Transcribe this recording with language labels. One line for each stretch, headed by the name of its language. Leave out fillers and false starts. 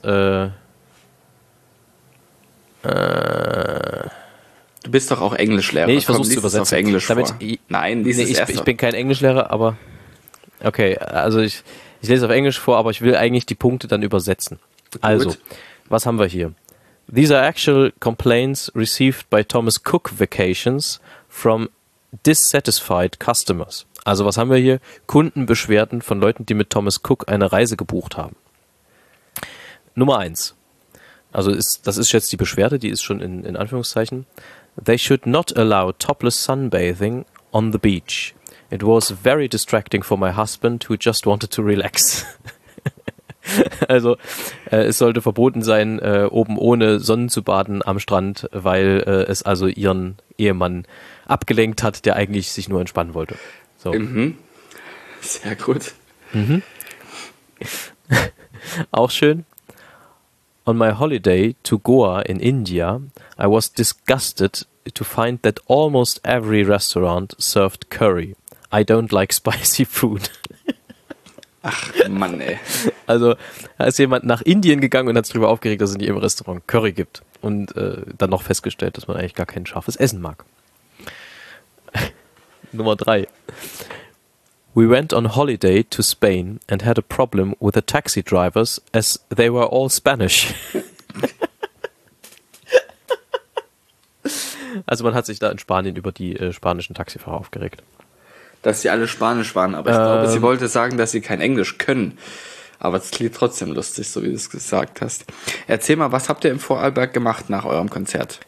German: Du bist doch auch Englischlehrer. Nee, ich versuche es zu übersetzen. Auf Englisch damit, nein, lese es erst. Ich bin kein Englischlehrer, aber. Okay, also ich lese es auf Englisch vor, aber ich will eigentlich die Punkte dann übersetzen. Gut. Also, was haben wir hier?
English: These are actual complaints received by Thomas Cook Vacations from dissatisfied customers.
German: Also was haben wir hier? Kundenbeschwerden von Leuten, die mit Thomas Cook eine Reise gebucht haben. Nummer 1. Also das ist jetzt die Beschwerde, die ist schon in Anführungszeichen.
English: They should not allow topless sunbathing on the beach. It was very distracting for my husband who just wanted to relax.
German: Also, es sollte verboten sein, oben ohne Sonne zu baden am Strand, weil es also ihren Ehemann abgelenkt hat, der eigentlich sich nur entspannen wollte. So. Mhm. Sehr gut. Mhm. Auch schön.
English: On my holiday to Goa in India, I was disgusted to find that almost every restaurant served curry. I don't like spicy food.
German: Ach Mann, ey. Also, da ist jemand nach Indien gegangen und hat sich darüber aufgeregt, dass es nicht im Restaurant Curry gibt. Und dann noch festgestellt, dass man eigentlich gar kein scharfes Essen mag. Nummer 3.
English: We went on holiday to Spain and had a problem with the taxi drivers as they were all Spanish.
German: Also man hat sich da in Spanien über die spanischen Taxifahrer aufgeregt. Dass sie alle Spanisch waren, aber ich glaube, sie wollte sagen, dass sie kein Englisch können. Aber es klingt trotzdem lustig, so wie du es gesagt hast. Erzähl mal, was habt ihr im Vorarlberg gemacht nach eurem Konzert?